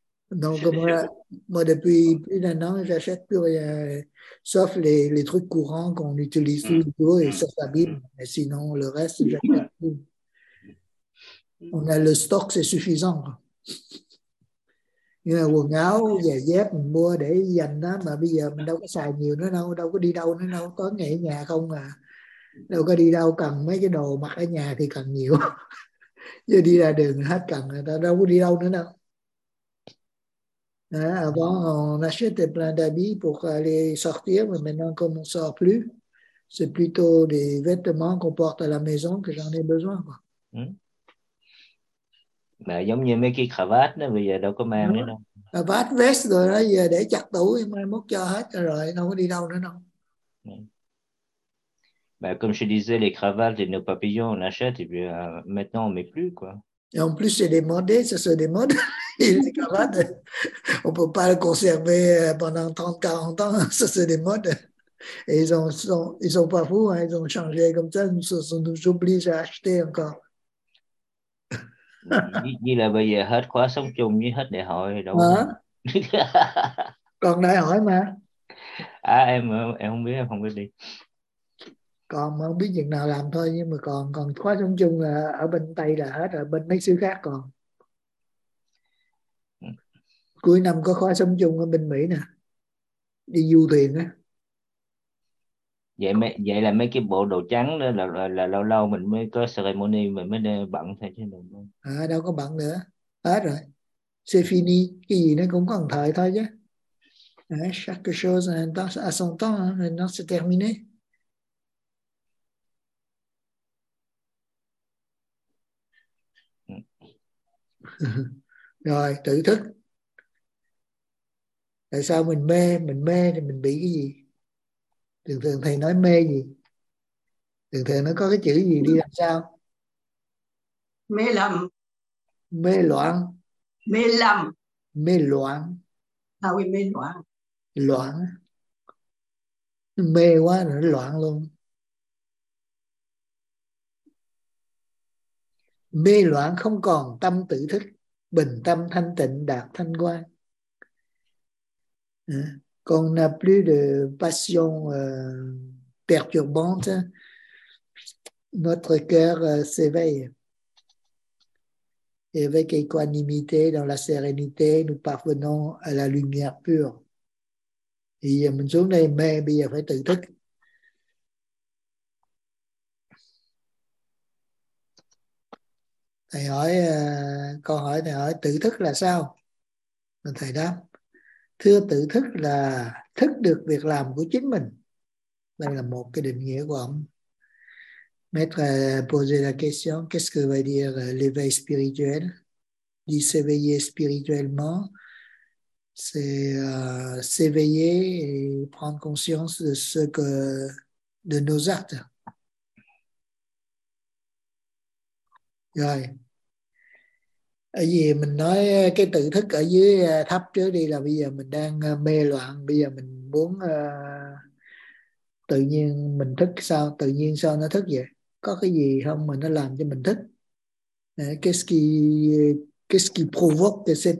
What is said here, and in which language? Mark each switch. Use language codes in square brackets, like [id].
[fr] Donc moi depuis plus d'un an, j'achète plus rien, sauf les trucs courants qu'on utilise tous les jours et ça s'abîme. Mais sinon, le reste, j'achète plus. On a le stock, c'est suffisant. Il y a [vi] quần áo, giày dép, mình mua để dành đó, mà bây giờ mình đâu có xài nhiều nữa đâu, đâu có đi đâu nữa đâu, có nghỉ nhà không à. Đâu có đi đâu, cần mấy cái đồ mặc ở nhà thì cần nhiều. Giờ đi ra đường hết cần, người ta đâu có đi đâu nữa đâu. [fr] Avant, on achetait plein d'habits pour aller sortir, mais maintenant, comme on ne sort plus, c'est plutôt des vêtements qu'on porte à la maison que j'en ai besoin, quoi. [vi] Mà giống như mấy cái cravate nó bây giờ đâu có Vest mang nữa đâu. vest rồi đó, giờ để chặt tủ, mai mốt cho hết rồi, đâu có đi đâu nữa đâu. [fr] Bah, comme je disais, les cravates et nos papillons, on achète et puis maintenant on ne met plus quoi. Et en plus, c'est démodé, ça se démode. Les cravates, on ne peut pas le conserver pendant 30-40 ans, ça se démode. Et ils sont pas fous, hein, ils ont changé comme ça, nous oblige à acheter encore. [vi] Như là bây giờ hết khóa sống chung với hết đại hội đâu Hả? có à, Còn đại hỏi mà. em không biết, em không biết đi. còn không biết chừng nào làm thôi, nhưng mà còn còn khóa sống chung là ở bên Tây là hết rồi, bên mấy xứ khác còn cuối năm có khóa sống chung ở bên Mỹ nè, đi du thuyền á. Vậy mấy, vậy là mấy cái bộ đồ trắng đó là lâu lâu mình mới có ceremony mình mới bận thôi chứ đừng. À, đâu có bận nữa, hết rồi. Séphini cái gì nó cũng có một thời thôi chứ. [fr] Chaque chose a son temps, maintenant c'est terminé. [vi] Rồi tự thức, tại sao mình mê? Mình mê thì mình bị cái gì? Thường thường thầy nói mê gì, thường thường nó có cái chữ gì đi làm sao? Mê lầm, Mê loạn, mê lầm, mê loạn, sao mê loạn? loạn mê quá rồi nó loạn luôn, mê loạn không còn tâm tự thức, bình tâm thanh tịnh đạt thanh quan. [fr] Con n'a plus de passion perturbante, notre cœur s'éveille. Et avec équanimité, dans la sérénité, nous parvenons à la lumière pure. [vi] Thì giờ mình xuống đây mê, bây giờ phải tự thức. Thầy hỏi, câu hỏi thầy hỏi tự thức là sao? Thầy đáp, thưa tự thức là thức được việc làm của chính mình. Đây là một cái định nghĩa của ông. [fr] Maître poser la question, qu'est-ce que veut dire l'éveil spirituel? Dit s'éveiller spirituellement, c'est s'éveiller et prendre conscience de ce que de nos actes. [vi] Rồi. Ở gì mình nói cái tự thức ở dưới thấp trước đi, là bây giờ mình đang mê loạn, bây giờ mình muốn tự nhiên mình thức sao, tự nhiên sao nó thức vậy? Có cái gì không mà nó làm cho mình thích? [fr] Qu'est-ce qui provoque cet